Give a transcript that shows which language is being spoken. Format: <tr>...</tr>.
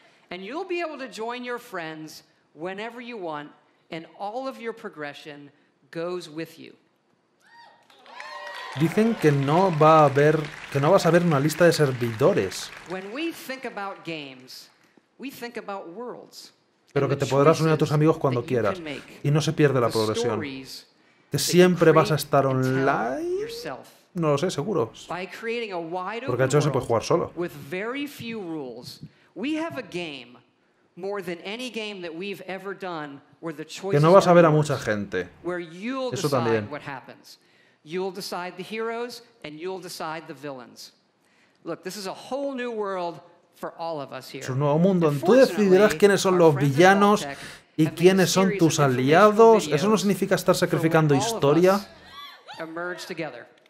<en>And you'll be able to join your friends whenever you want, and all of your progression goes with you.</en> <es>Dicen que no va a haber, que no vas a ver una lista de servidores.</es> <en>When we think about games, we think about worlds.</en> <es>Pero que te podrás unir a tus amigos cuando quieras y no se pierde la progresión. Que siempre vas a estar online. No lo sé, seguro. Porque eso se puede jugar solo.</es> <en>With very few rules, we have a game more than any game that we've ever done where the choices.</en> <es>Que no vas a ver a mucha gente. Eso también.</es> <en>You'll decide the heroes and you'll decide the villains. Look, this is a whole new world for all of us here.</en> <es>Es un nuevo mundo. Tú decidirás quiénes son los villanos y quiénes son tus aliados. Eso no significa estar sacrificando historia.</es> <en>Emerge together.</en>